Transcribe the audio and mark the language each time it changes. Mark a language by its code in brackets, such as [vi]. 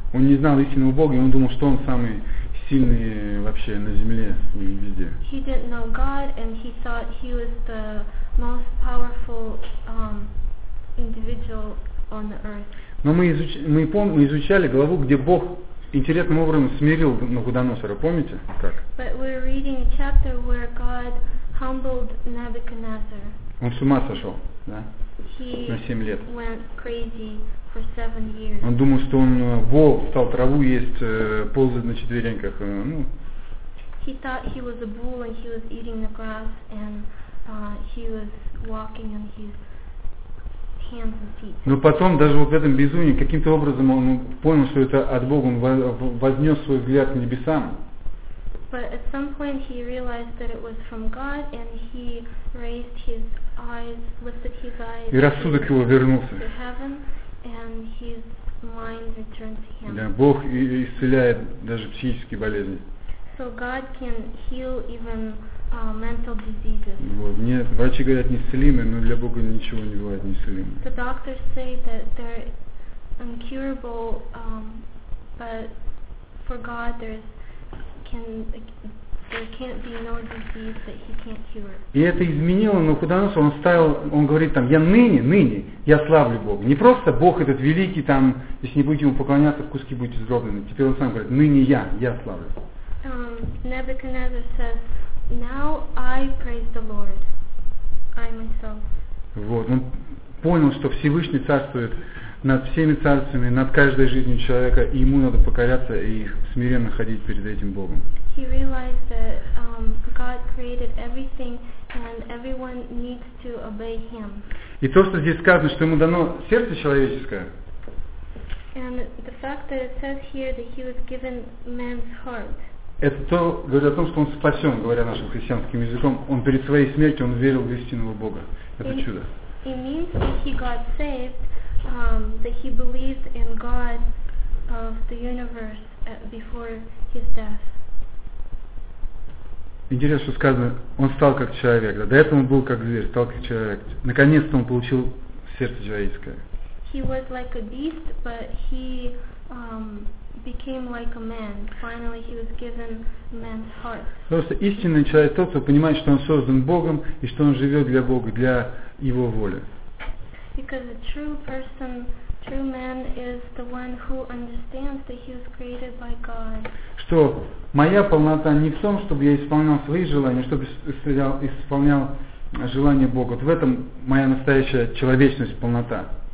[ru] Он не знал истинного Бога, и он думал, что он самый сильный вообще на земле и везде. [en] He didn't know God, and he thought he was the most powerful individual on the earth. [ru] Но мы изучали главу, где Бог интересным образом смирил Навуходоносора, помните, как? [en] But we're reading a chapter where God humbled Nebuchadnezzar. [ru] Он с ума сошел, да? [en] He [ru] на 7 лет. [en] Went crazy for 7 years. [ru] Он думал, что он вол, стал траву есть, ползает на четвереньках. Ну. [en] He thought he was a bull and he was eating the grass and he was walking on his hands and feet. [ru] Но потом даже вот в этом безумии каким-то образом он понял, что это от Бога, он вознес свой взгляд к небесам. [en] But at some point he realized that it was from God and he raised his eyes, lifted his eyes. [ru] И рассудок его вернулся. [en] To heaven, and his mind returned to him. [ru] Да, Бог исцеляет даже психические болезни. [en] So God can heal even mental diseases. [ru] Вот, мне врачи говорят неисцелимые, но для Бога ничего не бывает неисцелимым. [en] The doctors say that they're incurable, but for God there can't be no disease that he can't cure. [ru] И это изменило Навуходоносор, он ставил, он говорит там, я ныне, я славлю Бога. Не просто Бог этот великий там, если не будете ему поклоняться, в куски будете сдроблены. Теперь он сам говорит, ныне я славлю. [en] Nebuchadnezzar says, now I praise the Lord, I myself. [ru] Вот, он понял, что Всевышний царствует над всеми царствами, над каждой жизнью человека, и ему надо покоряться и смиренно ходить перед этим Богом. [en] He realized that God created everything and everyone needs to obey him. [ru] И то, что здесь сказано, что ему дано сердце человеческое. [en] And the fact that it says here that he was given man's heart. [ru] Это то, говорит о том, что он спасен, говоря нашим христианским языком. Он перед своей смертью он верил в истинного Бога. Это чудо. [en] It means that he got saved, that he believed in God of the universe before his death. [ru] Интересно, что сказано, он стал как человек, да? До этого он был как зверь, стал как человек. Наконец-то он получил сердце человеческое. [en] He was like a beast, but he became like a man. Finally, he was given man's heart. [ru] Просто истинный человек тот, кто понимает, что он создан Богом и что он живет для Бога, для Его воли. [en] Because a true person, true man is the one who understands that he was created by God. [ru] Что моя полнота не в том, чтобы я исполнял свои желания, чтобы исполнял желания Бога. Вот в этом моя настоящая человечность, полнота.